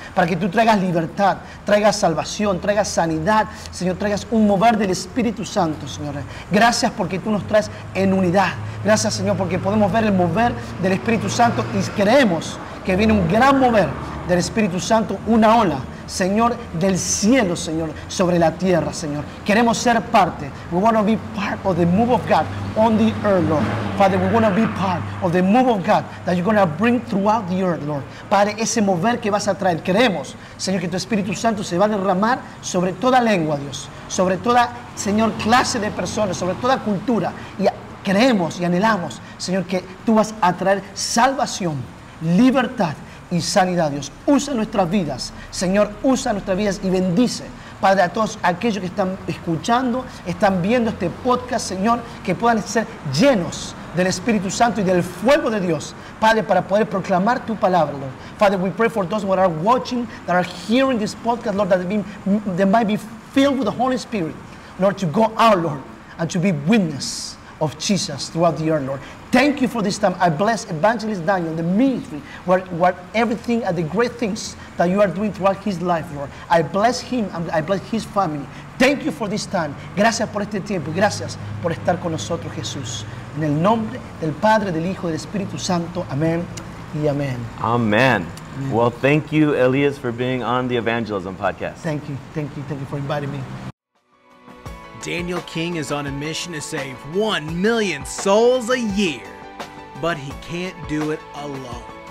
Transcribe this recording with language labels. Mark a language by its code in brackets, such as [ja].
[es] Para que tú traigas libertad, traigas salvación, traigas sanidad, Señor, traigas un mover del Espíritu Santo, Señor. Gracias porque tú nos traes en unidad. Gracias, Señor, porque podemos ver el mover del Espíritu Santo y creemos que viene un gran mover del Espíritu Santo, una ola. Señor, del cielo, Señor, sobre la tierra, Señor. Queremos ser parte. [en] We want to be part of the move of God on the earth, Lord. Father, we want to be part of the move of God that you're going to bring throughout the earth, Lord. [es] Padre, ese mover que vas a traer. Queremos, Señor, que tu Espíritu Santo se va a derramar sobre toda lengua, Dios. Sobre toda, Señor, clase de personas, sobre toda cultura. Y creemos y anhelamos, Señor, que tú vas a traer salvación, libertad, y sanidad, Dios. Usa nuestras vidas, Señor, usa nuestras vidas y bendice, Padre, a todos aquellos que están escuchando, están viendo este podcast, Señor, que puedan ser llenos del Espíritu Santo y del fuego de Dios, Padre, para poder proclamar tu palabra, Lord. [en] Father, we pray for those who are watching, that are hearing this podcast, Lord, that they might be filled with the Holy Spirit, Lord, to go out, Lord, and to be witness of Jesus throughout the earth, Lord. Thank you for this time. I bless Evangelist Daniel, the ministry, where everything and the great things that you are doing throughout his life, Lord. I bless him and I bless his family. Thank you for this time. [es] Gracias por este tiempo. Gracias por estar con nosotros, Jesús. En el nombre del Padre, del Hijo, del Espíritu Santo. Amen y amen. [en] Amen. Amen. Well, thank you, Elias, for being on the Evangelism Podcast. Thank you. Thank you. Thank you for inviting me. Daniel King is on a mission to save 1 million souls a year, but he can't do it alone.